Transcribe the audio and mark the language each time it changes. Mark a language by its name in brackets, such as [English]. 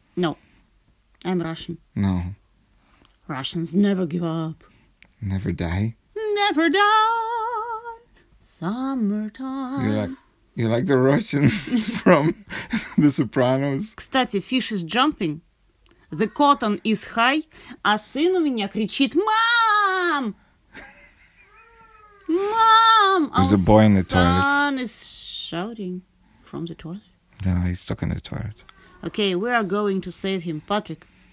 [English] No. I'm Russian. No. Russians never give up. Never die. Never die. Summertime. You're like the Russian from The Sopranos. [Russian] Кстати, [English] fish is jumping. The cotton is high. [Russian] А сын у меня кричит, [English] Mom! Mom! There's a boy in the toilet. Our son is shouting from the toilet. No, he's stuck in the toilet. Okay, we are going to save him, Patrick.